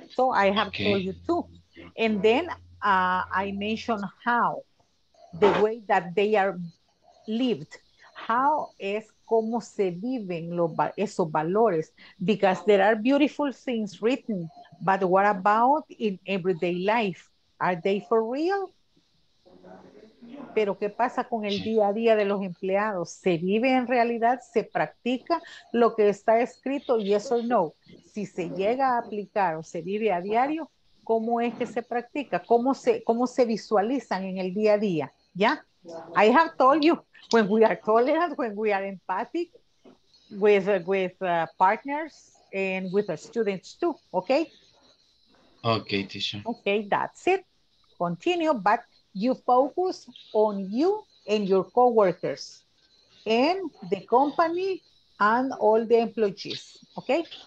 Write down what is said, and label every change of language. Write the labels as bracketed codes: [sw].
[en] So I have told you too. And then I mentioned how the way that they are lived. How is [es] cómo se viven esos valores? [en] Because there are beautiful things written, but what about in everyday life? Are they for real? [es] Pero qué pasa con el día a día de los empleados? ¿Se vive en realidad? ¿Se practica lo que está escrito? [en] Yes or no? [es] Si se llega a aplicar o se vive a diario, ¿cómo es que se practica? ¿Cómo se visualizan en el día a día? ¿Ya? [en] I have told you, when we are tolerant, when we are empathic with partners and with the students too, okay? Okay, teacher. Okay, that's it. Continue, but you focus on you and your coworkers and the company and all the employees, okay?